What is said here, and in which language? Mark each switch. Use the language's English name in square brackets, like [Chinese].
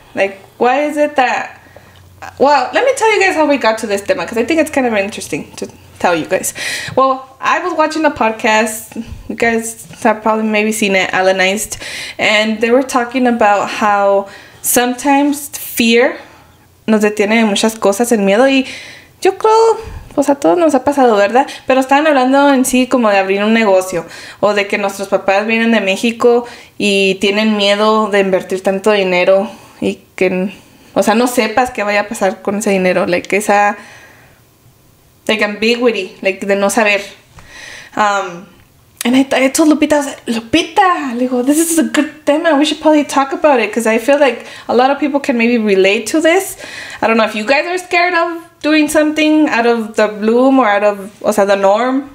[English] Like, why is it that... Well, let me tell you guys how we got to this tema, because I think it's kind of interesting to tell you guys. Well, I was watching a podcast. You guys have probably maybe seen it, Alanized. And they were talking about how sometimes fear [Spanish] nos detiene en muchas cosas, el miedo. Y yo creo, pues a todos nos ha pasado, ¿verdad? Pero estaban hablando en sí como de abrir un negocio. O de que nuestros papás vienen de México y tienen miedo de invertir tanto dinero. Y que... O sea, no sepas qué vaya a pasar con ese dinero. Like, esa... [English] Like, ambiguity. [Spanish] Like, de no saber. [English] And I told Lupita, I was like, Lupita, [Spanish] le digo, [English] this is a good tema. We should probably talk about it. Because I feel like a lot of people can maybe relate to this. I don't know if you guys are scared of doing something out of the bloom or out of, [Spanish] o sea, [English] the norm.